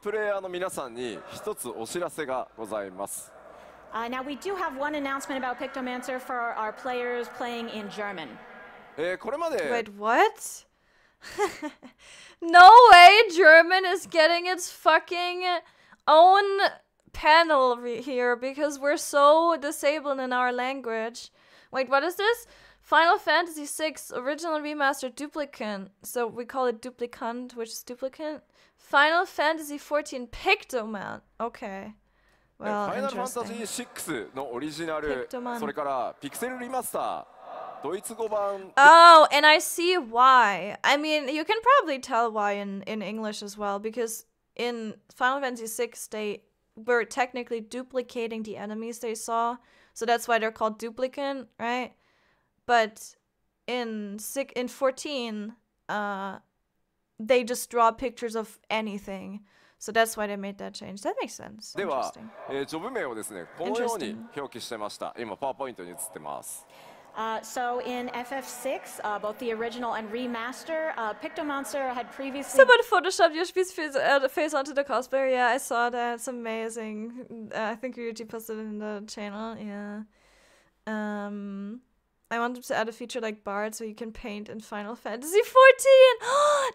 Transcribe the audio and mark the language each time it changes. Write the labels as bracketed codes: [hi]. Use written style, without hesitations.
[ja] ここでちょっとピクトマンサーに関してですね、ドイツ語のプレイヤーの皆さんに一つお知らせがございます。 [en] Now we do have one announcement about Pictomancer for our players playing in German. [ja] これまで… [en] Wait, what? No way, German is getting its fucking own… panel here, because we're so disabled in our language. Wait, what is this? Final Fantasy VI Original Remastered Duplicant. So we call it Duplicant, which is Duplicant. Final Fantasy XIV Pictomant. Okay. Well, [ja] Final Fantasy VI の original, それからPixel Remastered, ドイツ語版. [en] Oh, and I see why. I mean, you can probably tell why in English as well, because in Final Fantasy VI, they were technically duplicating the enemies they saw, so that's why they're called duplicant, right? But in 14, they just draw pictures of anything, so that's why they made that change. That makes sense. [ja] では、ジョブ名をですね、このように表記してました。今、パワーポイントに映ってます。 [en] So in FF6, both the original and remaster, Pictomancer had previously... Somebody photoshopped Yoshi's face onto the cosplayer. Yeah, I saw that. It's amazing. I think Ryuji posted it in the channel. Yeah. I wanted to add a feature like Bard so you can paint in Final Fantasy XIV.